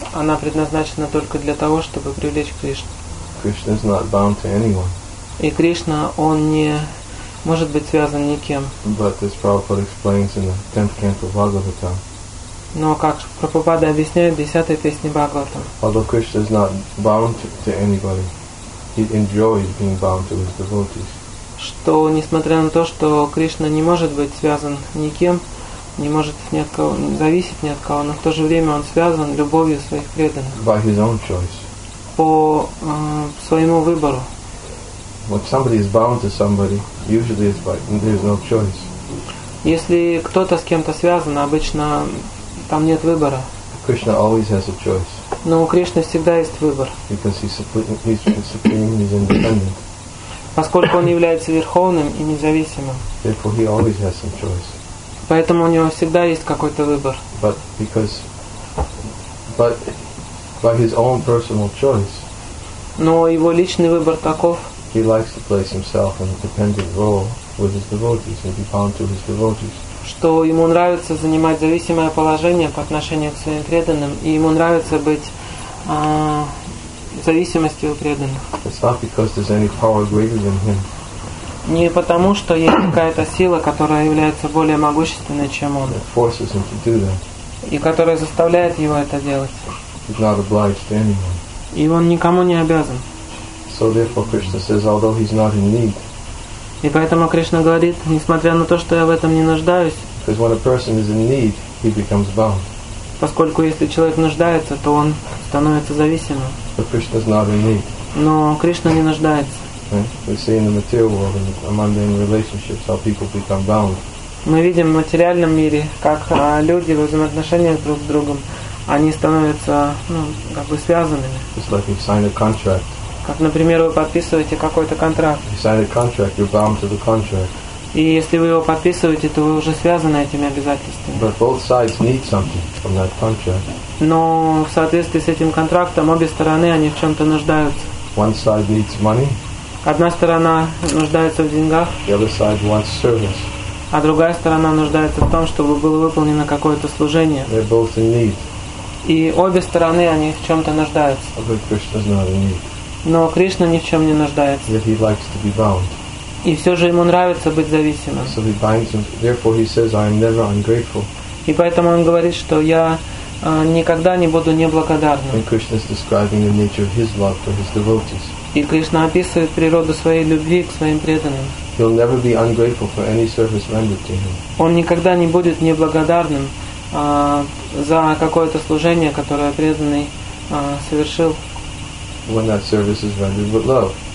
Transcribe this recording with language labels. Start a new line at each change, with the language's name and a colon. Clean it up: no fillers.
Russian: Она предназначена только для того, чтобы привлечь Кришну.
English: Krishna is not bound to anyone.
Russian: И Кришна, он не может быть связан никем.
English: But as Prabhupada explains in the 10th canto of Bhagavatam.
Russian: Но как Прабхупада объясняет в 10-й песне Бхагаватам.
English: Although Krishna is not bound to anybody. he enjoys being bound to his devotees.
Russian: Что несмотря на то, что Кришна не может быть связан никем, не может ни от кого, зависеть ни от кого, но в то же время он связан любовью своих преданных.
English: By his own choice.
Russian: По своему выбору.
English: When somebody is bound to somebody, usually it's by, there is no choice.
Russian: Если кто-то с кем-то связан, обычно там нет выбора.
English: Krishna always has a choice.
Russian: Но у Кришны всегда есть выбор.
English: Because he's supreme, he's independent.
Russian: Поскольку он является верховным и независимым.
English: Therefore, he always has some choice.
Russian: Поэтому у него всегда есть какой-то выбор.
English: But because, but by his own personal choice.
Russian: Но его личный выбор таков.
English: He likes to place himself in a dependent role with his devotees and be bound to his devotees.
Russian: Что ему нравится занимать зависимое положение по отношению к своим преданным, и ему нравится быть зависимостью у преданных.
English: It's not because there's any power greater than him.
Russian: Не потому, что есть какая-то сила, которая является более могущественной, чем он.
English: That forces him to do that.
Russian: И которая заставляет его это делать.
English: He's not obliged to anyone.
Russian: И он никому не обязан.
English: So therefore Krishna says, although he's not in need.
Russian: И поэтому Кришна говорит, несмотря на то, что я в этом не нуждаюсь.
English: Because when a person is in need, he becomes bound.
Russian: Поскольку если человек нуждается, то он становится зависимым.
English: But Krishna is not in need.
Russian: Но Кришна не нуждается.
English: We see in the material world, in the mundane relationships, how people become bound.
Russian: Мы видим в материальном мире, как люди в взаимоотношениях друг с другом, они становятся, ну, как бы связанными.
English: It's like you sign a contract.
Russian: Как, например, вы подписываете какой-то контракт.
English: You sign a contract, you're bound to the contract.
Russian: И если вы его подписываете, то вы уже связаны этими обязательствами.
English: But both sides need something from that contract.
Russian: Но в соответствии с этим контрактом обе стороны они в чем-то нуждаются.
English: One side needs money.
Russian: Одна сторона нуждается в деньгах.
English: The other side wants service.
Russian: А другая сторона нуждается в том, чтобы было выполнено какое-то служение.
English: They're both in need.
Russian: И обе стороны они в чем-то нуждаются.
English: But Krishna's not in need.
Russian: Но Кришна ни в чем не нуждается.
English: Yet he likes to be bound.
Russian: И все же ему нравится быть зависимым.
English: So he binds him. Therefore he says, I am never ungrateful.
Russian: И поэтому он говорит, что я никогда не буду неблагодарным.
English: And Krishna is describing the nature of his love for his devotees.
Russian: И Кришна описывает природу своей любви к своим преданным.
English: He'll never be ungrateful for any service rendered to him.
Russian: Он никогда не будет неблагодарным за какое-то служение, которое преданный совершил.
English: When that service is rendered with love.